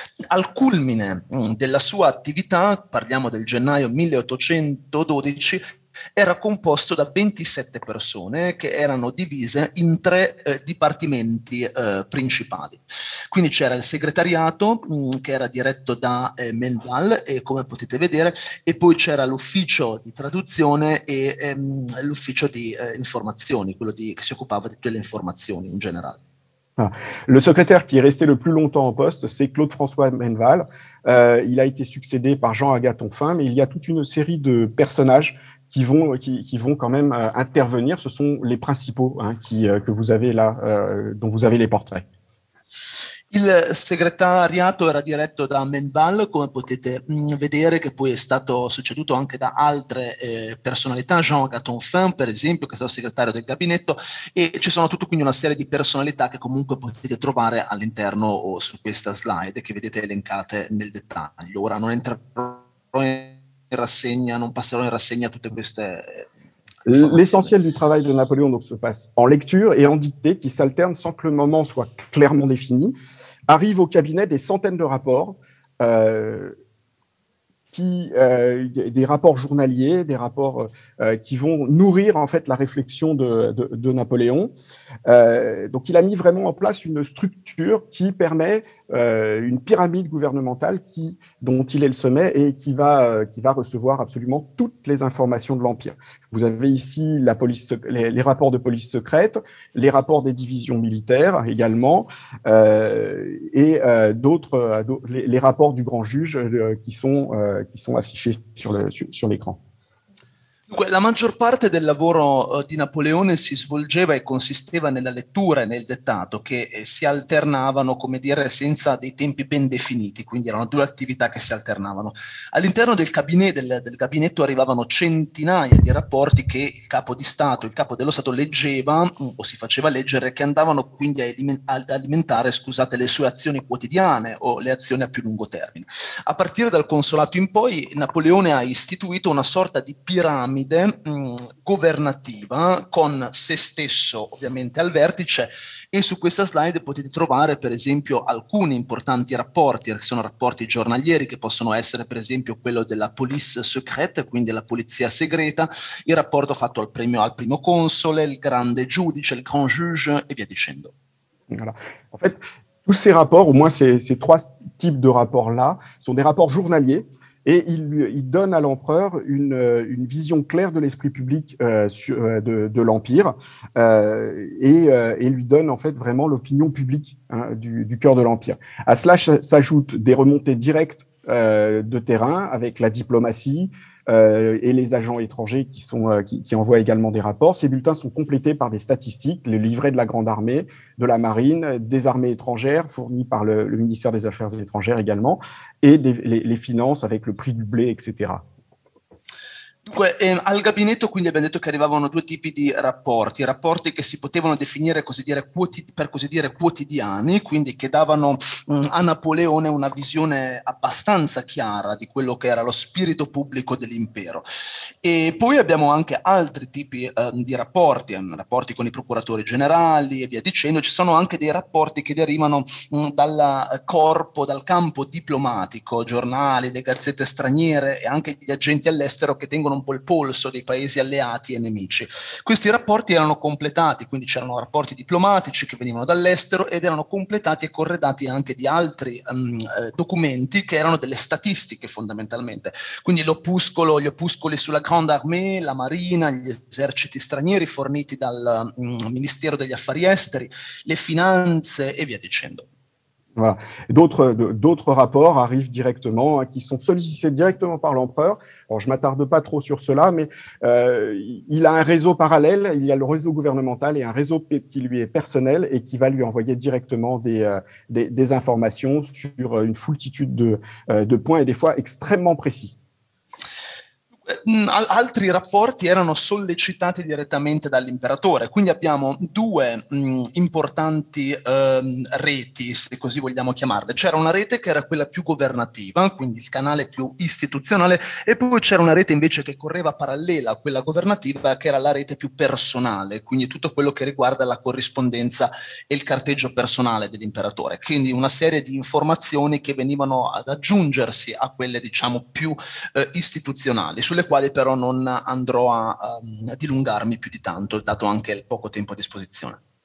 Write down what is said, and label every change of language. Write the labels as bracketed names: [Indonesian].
[Italian] Al culmine della sua attività, parliamo del gennaio 1812, era composto da 27 persone che erano divise in tre dipartimenti principali. Quindi c'era il segretariato che era diretto da Menval, e come potete vedere, e poi c'era l'ufficio di traduzione e l'ufficio di informazioni, quello che si occupava di tutte le informazioni in generale. Ah. [French] Le secrétaire qui est resté le plus longtemps en poste, c'est Claude-François Menval. Il a été succédé par Jean-Agathon Fin, mais il y a toute une série de personnages qui vont quand même intervenir. Ce sont les principaux que vous avez là, dont vous avez les portraits. [Italian] Il segretariato era diretto da Menval, come potete vedere, che poi è stato succeduto anche da altre personalità, Jean-Agathon Fin, per esempio, che è stato segretario del gabinetto, e ci sono tutto quindi una serie di personalità che comunque potete trovare all'interno o su questa slide, che vedete elencate nel dettaglio. Ora non entrerò in rassegna, non passerò in rassegna tutte queste... [French] L'essentiel du travail de Napoléon donc, se passe en lecture et en dictée qui s'alternent sans que le moment soit clairement défini. Arrive au cabinet des centaines de rapports, des rapports journaliers, des rapports qui vont nourrir en fait, la réflexion de Napoléon. Donc il a mis vraiment en place une structure qui permet une pyramide gouvernementale dont il est le sommet et qui va recevoir absolument toutes les informations de l'Empire. Vous avez ici la police, les rapports de police secrète, les rapports des divisions militaires également, les rapports du grand juge qui sont affichés sur l'écran. [Italian] Dunque, la maggior parte del lavoro di Napoleone si svolgeva e consisteva nella lettura e nel dettato, che si alternavano, come dire, senza dei tempi ben definiti, quindi erano due attività che si alternavano. All'interno del cabinet, del gabinetto arrivavano centinaia di rapporti che il capo di Stato, il capo dello Stato leggeva o si faceva leggere, che andavano quindi ad alimentare, scusate, le sue azioni quotidiane o le azioni a più lungo termine. A partire dal consolato in poi, Napoleone ha istituito una sorta di piramide piramide governativa con se stesso ovviamente al vertice, e su questa slide potete trovare per esempio alcuni importanti rapporti, che sono rapporti giornalieri, che possono essere per esempio quello della [French] police secrète, [Italian] quindi la polizia segreta, il rapporto fatto al premio al primo console, il grande giudice, il [French] grand juge [Italian] e via dicendo. [French] Voilà. En fait, tous ces rapports, au moins ces trois types de rapports-là, sont des rapports journaliers et ils donnent à l'empereur une vision claire de l'esprit public de l'Empire et lui donnent en fait vraiment l'opinion publique du cœur de l'Empire. À cela s'ajoutent des remontées directes de terrain avec la diplomatie et les agents étrangers qui envoient également des rapports. Ces bulletins sont complétés par des statistiques, les livrets de la Grande Armée, de la Marine, des armées étrangères fournies par le ministère des Affaires étrangères également, et les finances avec le prix du blé, etc. [Italian] Dunque, al gabinetto quindi abbiamo detto che arrivavano due tipi di rapporti, rapporti che si potevano definire per così dire quotidiani, quindi che davano a Napoleone una visione abbastanza chiara di quello che era lo spirito pubblico dell'impero. E poi abbiamo anche altri tipi di rapporti, rapporti con i procuratori generali e via dicendo, ci sono anche dei rapporti che derivano dal campo diplomatico, giornali, le gazzette straniere e anche gli agenti all'estero che tengono un po' il polso dei paesi alleati e nemici. Questi rapporti erano completati, quindi c'erano rapporti diplomatici che venivano dall'estero ed erano completati e corredati anche di altri documenti che erano delle statistiche fondamentalmente. Quindi l'opuscolo, gli opuscoli sulla Grande Armée, la Marina, gli eserciti stranieri forniti dal Ministero degli Affari Esteri, le finanze e via dicendo. [French] Voilà. D'autres rapports arrivent directement, qui sont sollicités directement par l'empereur. Alors, je m'attarde pas trop sur cela, mais il a un réseau parallèle. Il y a le réseau gouvernemental et un réseau qui lui est personnel et qui va lui envoyer directement des informations sur une foultitude de points et des fois extrêmement précis. [Italian] Altri rapporti erano sollecitati direttamente dall'imperatore, quindi abbiamo due importanti reti, se così vogliamo chiamarle. C'era una rete che era quella più governativa, quindi il canale più istituzionale, e poi c'era una rete invece che correva parallela a quella governativa, che era la rete più personale, quindi tutto quello che riguarda la corrispondenza e il carteggio personale dell'imperatore, quindi una serie di informazioni che venivano ad aggiungersi a quelle diciamo più istituzionali, sulle quali però non andrò a dilungarmi più di tanto, dato anche il poco tempo a disposizione.